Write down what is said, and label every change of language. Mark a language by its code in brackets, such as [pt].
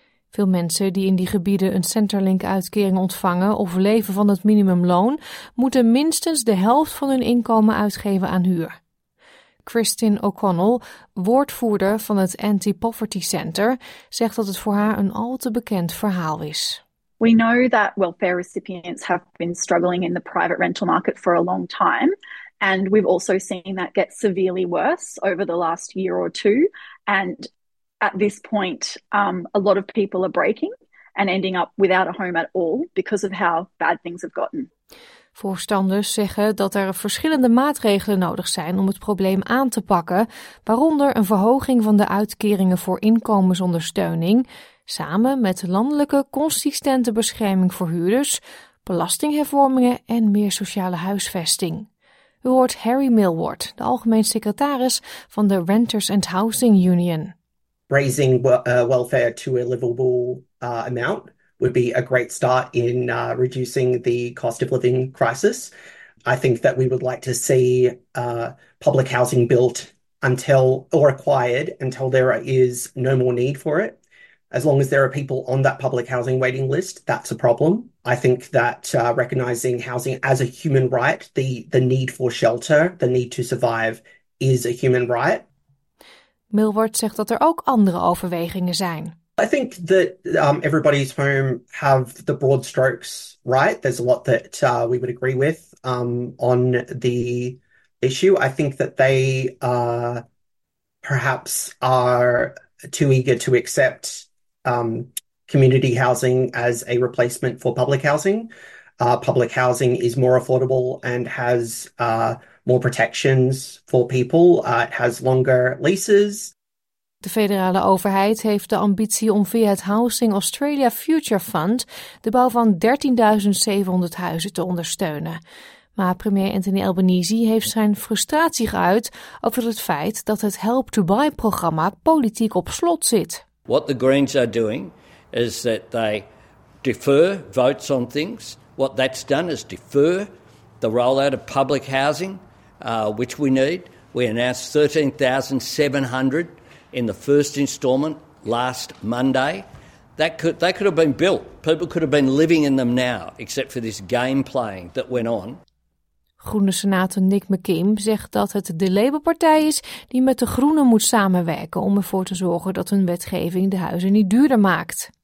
[nl] Veel mensen die in die gebieden een Centrelink-uitkering ontvangen of leven van het minimumloon, moeten minstens de helft van hun inkomen uitgeven aan huur. Christine O'Connell, woordvoerder van het Anti-Poverty Center, zegt dat het voor haar een al te bekend verhaal is. [en] We know that welfare recipients have been struggling in the private rental market for a long time. And we've also seen that get severely worse over the last year or two. And at this point, a lot of people are breaking and ending up without a home at all because of how bad things have gotten. [nl] Voorstanders zeggen dat er verschillende maatregelen nodig zijn om het probleem aan te pakken, waaronder een verhoging van de uitkeringen voor inkomensondersteuning, samen met landelijke consistente bescherming voor huurders, belastinghervormingen en meer sociale huisvesting. U hoort Harry Millward, de algemeen secretaris van de Renters and Housing Union. [en] Raising welfare to a livable amount would be a great start in reducing the cost of living crisis. I think that we would like to see public housing built until or acquired until there is no more need for it. As long as there are people on that public housing waiting list, that's a problem. I think that recognizing housing as a human right, the need for shelter, the need to survive, is a human right. [nl] Millward zegt dat er ook andere overwegingen zijn. [en] I think that Everybody's Home have the broad strokes right. There's a lot that we would agree with on the issue. I think that they perhaps are too eager to accept community housing as a replacement for public housing. Public housing is more affordable and has more protections for people. It has longer leases. [nl] De federale overheid heeft de ambitie om via het Housing Australia Future Fund de bouw van 13.700 huizen te ondersteunen. Maar premier Anthony Albanese heeft zijn frustratie geuit over het feit dat het Help to Buy programma politiek op slot zit. [en] What the Greens are doing is that they defer votes on things. What that's done is defer the rollout of public housing, which we need. We announced 13,700 in the first instalment last Monday. They could have been built. People could have been living in them now, except for this game playing that went on. [nl] Groene senator Nick McKim zegt dat het de Labour-partij is die met de Groenen moet samenwerken om ervoor te zorgen dat hun wetgeving de huizen niet duurder maakt.